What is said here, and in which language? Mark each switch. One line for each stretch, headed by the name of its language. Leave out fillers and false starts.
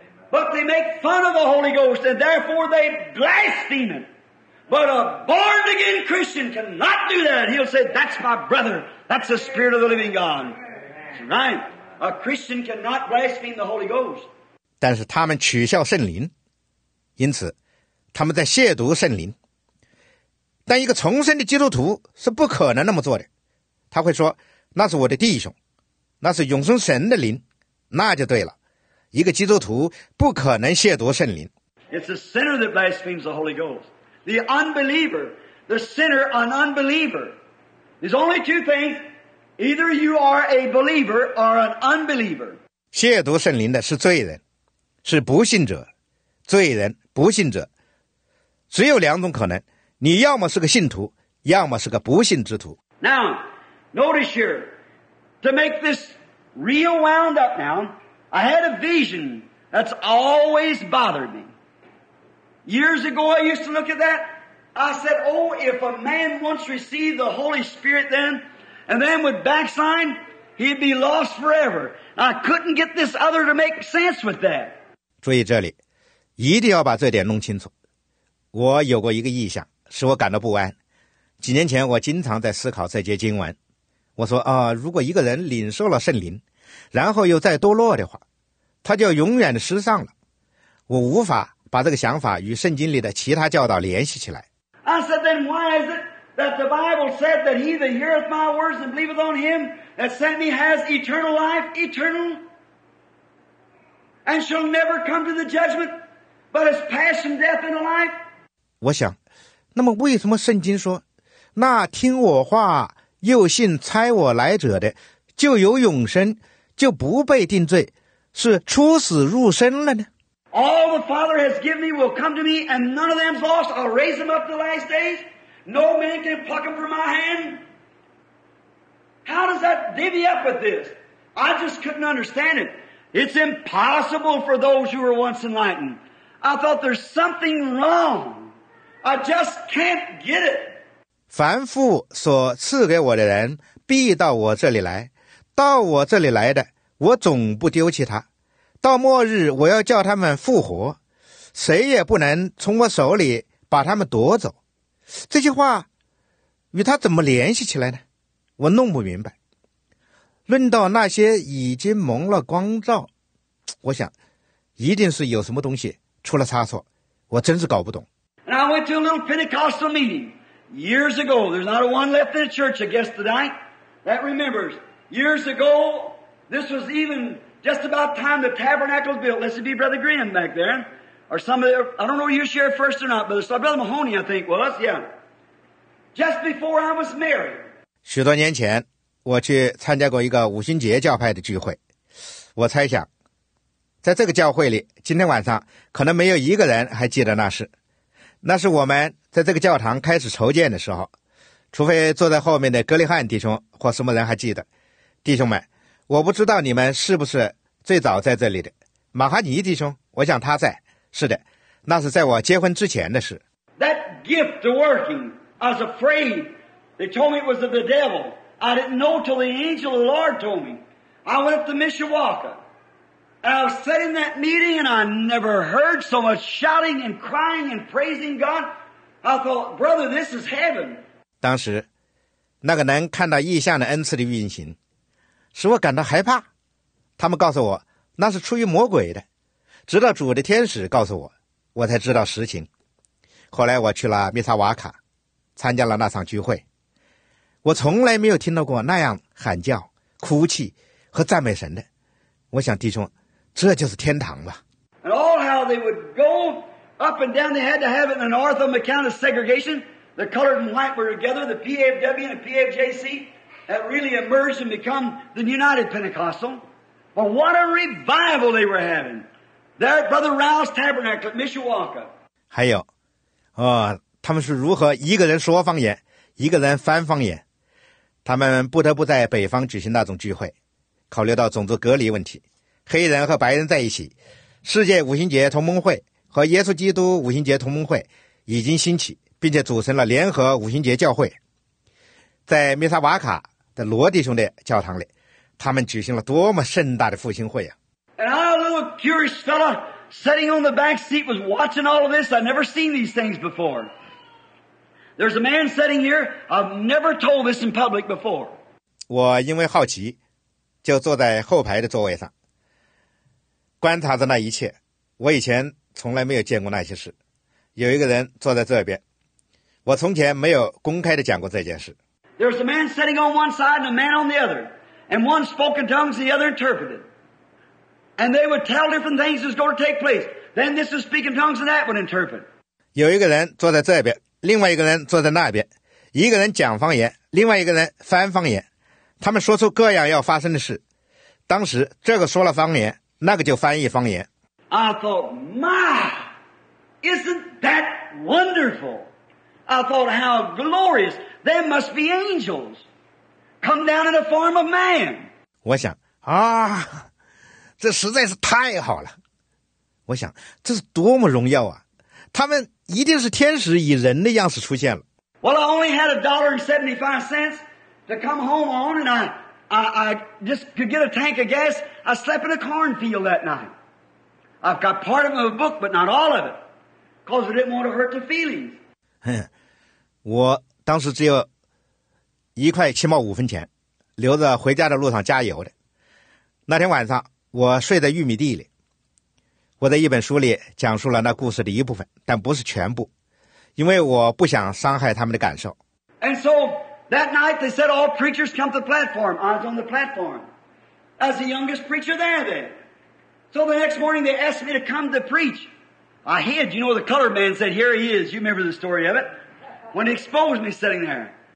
English: But they make fun of the Holy Ghost, and therefore they blaspheme it. But a born-again Christian cannot do that. He'll say, "That's my brother. That's the Spirit of the Living God." Right? A Christian cannot blaspheme the Holy Ghost.
Chinese: 但是他们取笑圣灵，因此他们在亵渎圣灵。但一个重生的基督徒是不可能那么做的，他会说，那是我的弟兄，那是永生神的灵，那就对了。一个基督徒不可能亵渎圣灵。
English: It's a sinner that blasphemes the Holy Ghost. The unbeliever, the sinner, an unbeliever. There's only two things. Either you are a believer or an unbeliever.
Chinese: 亵渎圣灵的是罪人，是不信者，罪人，不信者。只有两种可能，你要么是个信徒，要么是个不信之徒。
English: Now, notice here, to make this real wound up now, I had a vision that's always bothered me. Years ago I used to look at that, I said, oh, if a man once received the Holy Spirit then, and then would backslide, he'd be lost forever. I couldn't get this other to make sense with that.
Chinese: 注意这里，一定要把这点弄清楚。我有过一个意象，使我感到不安。几年前我经常在思考这节经文。我说啊，如果一个人领受了圣灵，然后又再堕落的话，他就永远的失丧了。我无法把这个想法与圣经里的其他教导联系起来。
English: I said, then why is it that the Bible said that he that heareth my words and believeth on him that sent me has eternal life, eternal, and shall never come to the judgment, but is passed from death into life?
Chinese: 我想，那么为什么圣经说，那听我话又信差我来者的，就有永生，就不被定罪，是出死入生了呢？
English: All the Father has given me will come to me, and none of them's lost. I'll raise them up the last days. No man can pluck them from my hand. How does that divvy up with this? I just couldn't understand it. It's impossible for those who were once enlightened. I thought there's something wrong. I just can't get it.
Chinese: 凡父所赐给我的人必到我这里来，到我这里来的我总不丢弃他，到末日我要叫他们复活，谁也不能从我手里把他们夺走。这句话与他怎么联系起来呢？我弄不明白。论到那些已经蒙了光照，我想一定是有什么东西出了差错，我真是搞不懂。
English: And I went to a little Pentecostal meeting years ago. There's not a one left in the church, I guess, tonight that remembers. Years ago, this was even just about time the tabernacle was built. This would be Brother Graham back there. Or somebody, I don't know if you shared first or not, but it's Brother Mahoney, I think, was, yeah. Just before I was married.
Chinese: 许多年前，我去参加过一个五旬节教派的聚会。我猜想，在这个教会里，今天晚上可能没有一个人还记得那事。那是我们在这个教堂开始筹建的时候，除非坐在后面的格里汉弟兄或什么人还记得。弟兄们，我不知道你们是不是最早在这里的。马哈尼弟兄，我想他在。是的，那是在我结婚之前的事。
English: That gift to working, I was afraid. They told me it was of the devil. I didn't know till the angel of the Lord told me. I went up to Mishawaka. And I was sitting in that meeting and I never heard so much shouting and crying and praising God. I thought, brother, this is heaven.
Chinese: 当时那个能看到异象的恩赐的运行使我感到害怕。他们告诉我那是出于魔鬼的，直到主的天使告诉我，我才知道实情。后来我去了密萨瓦卡参加了那场聚会。我从来没有听到过那样喊叫哭泣和赞美神的。我想弟兄，这就是天堂吧。
English: And all how they would go up and down, they had to have it in an ortho-mechanical segregation. The colored and white were together, the PFW and the PFJC. that really emerged and become the United Pentecostal. Well, what a revival they were having there at Brother Rao's Tabernacle at Mishawaka.
Chinese: 还有，哦，他们是如何一个人说方言，一个人翻方言？他们不得不在北方举行那种聚会，考虑到种族隔离问题，黑人和白人在一起，世界五旬节同盟会和耶稣基督五旬节同盟会已经兴起，并且组成了联合五旬节教会。在米萨瓦卡的罗弟兄的教堂里，他们举行了多么盛大的复兴会啊。
English: And I, a little curious fellow sitting on the back seat was watching all of this. I've never seen these things before. There's a man sitting here, I've never told this in public before.
Chinese: 我因为好奇就坐在后排的座位上观察着那一切，我以前从来没有见过那些事。有一个人坐在这边，我从前没有公开的讲过这件事。
English: There's a man sitting on one side and a man on the other, and one spoke in tongues, the other interpreted. And they would tell different things that's going to take place. Then this is speaking tongues and that would interpret.
Chinese: 有一个人坐在这边，另外一个人坐在那边，一个人讲方言，另外一个人翻方言。他们说出各样要发生的事。当时这个说了方言，那个就翻译方言。
English: I thought, my, isn't that wonderful? I thought how glorious. There must be angels come down in the form of man.
Chinese: 我想啊，这实在是太好了。我想这是多么荣耀啊，他们一定是天使以人的样式出现了。
English: Well, I only had $1.75 to come home on, and I just could get a tank of gas. I slept in a cornfield that night. I've got part of a book, but not all of it, because I didn't want to hurt the feelings.
Chinese: 我当时只有1.75块，留着回家的路上加油的。那天晚上我睡在玉米地里。我在一本书里讲述了那故事的一部分，但不是全部，因为我不想伤害他们的感受。
English: And so, that night they said all preachers come to the platform. I was on the platform as the youngest preacher there then. So the next morning they asked me to come to preach. I hid, you know, the colored man said, here he is. You remember the story of it. When he exposed me sitting there.